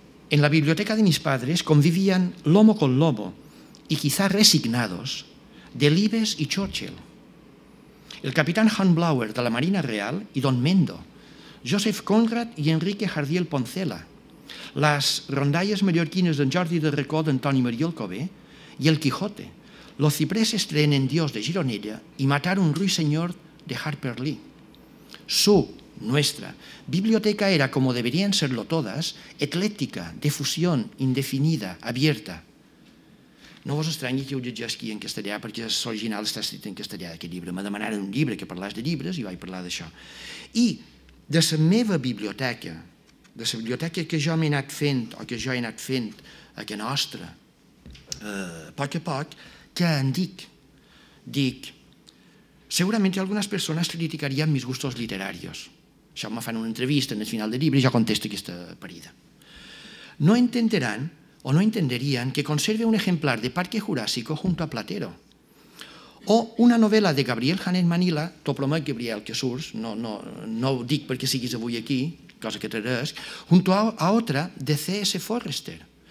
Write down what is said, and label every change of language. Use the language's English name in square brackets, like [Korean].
[Spanish] En la biblioteca de mis padres convivían lomo con lomo y quizá resignados Delibes y Churchill, el capitán Hornblower de la Marina Real y don Mendo, Joseph Conrad y Enrique Jardiel Poncela, las rondalles mallorquines de Jordi de Recó d'Antoni Mariol Cové y el Quijote, los cipreses traen en Dios de Gironella y matar un ruiseñor de Harper Lee. Nuestra biblioteca era, como deberían serlo todas, ecléctica, de fusión, indefinida, abierta. [Catalan] No vos estranyi que ho llegeixi en castellà, perquè l'original està escrit en castellà, aquest llibre. Me demanaren un llibre que parlàs de llibres i vaig parlar d'això. I de la meva biblioteca, de la biblioteca que jo m'he anat fent, o que jo he anat fent a casa nostra, a poc, que en dic? Dic, segurament algunes persones criticarien [Spanish] mis gustos literarios. [Catalan] Això me fan una entrevista en el final del llibre i jo contesto aquesta parida. [Spanish] No entenderán o no entenderían que conserve un ejemplar de Parque Jurásico junto a Platero. O una novela de [Catalan] Gabriel Janet Manila, t'ho promet, Gabriel, que surts, no ho dic perquè siguis avui aquí, cosa que t'agradesc, [Spanish] junto a otra de [Catalan] C.S. Forrester.